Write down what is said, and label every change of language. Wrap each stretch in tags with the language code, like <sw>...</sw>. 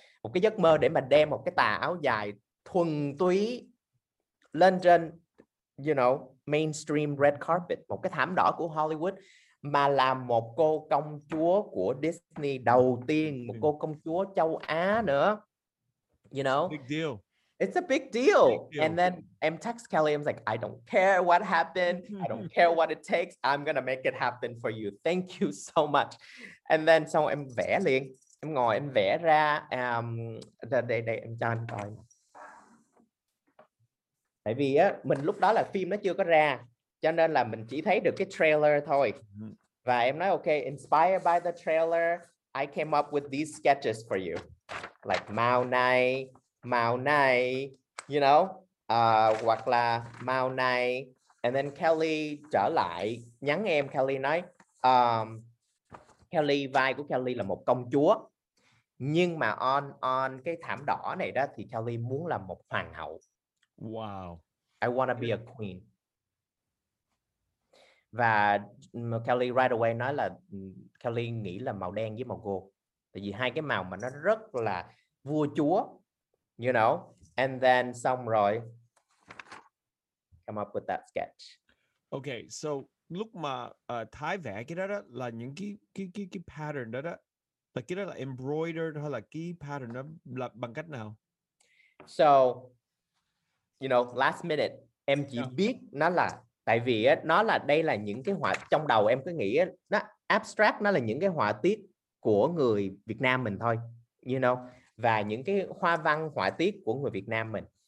<vi>Một cái giấc mơ để mà đem một cái tà áo dài thuần túy lên trên,</vi> <en>you know,</en> <vi>mainstream red carpet, một cái thảm đỏ của Hollywood, mà làm một cô công chúa của Disney đầu tiên, một cô công chúa châu Á nữa.</vi> <en>You know? Big deal. It's a big deal. And then em text Kelly, I'm like, "I don't care what happened. I don't care what it takes. I'm gonna make it happen for you. Thank you so much." And then</en> <vi>xong em vẽ liền. Em ngồi em vẽ ra, đây em cho anh coi. Tại vì á, mình lúc đó là phim nó chưa có ra, cho nên là mình chỉ thấy được cái trailer thôi. Và em nói:</vi> <en>"Okay, inspired by the trailer, I came up with these sketches for you.</en> <vi>Like màu này,</vi> <en>you know,</en> <vi>hoặc là màu này."</vi> <en>And then</en> <vi>Kelly trở lại, nhắn em, Kelly nói, Kelly, vai của Kelly là một công chúa, nhưng mà on cái thảm đỏ này đó thì Kelly muốn là một hoàng hậu.</vi> <en>Wow. I wanna be a queen.</en> <vi>Và Kelly right away nói là Kelly nghĩ là màu đen với màu gold, tại vì hai cái màu mà nó rất là vua chúa,</vi> <en>you know. And then</en> <vi>xong rồi</vi> <en>come up with that sketch.</en> <vi>Okay, so lúc mà Thái vẽ cái đó là những cái pattern đó đó, là cái đó là embroidered hay là cái pattern đó là bằng cách nào?</vi> <en>So, you know, last minute,</en> <vi>em chỉ biết nó là, tại vì nó là, đây là những cái họa, trong đầu em cứ nghĩ nó abstract, nó là những cái họa tiết của người Việt Nam mình thôi,</vi> <en>you know,</en> <vi>và những cái hoa văn họa tiết của người Việt Nam mình.</vi>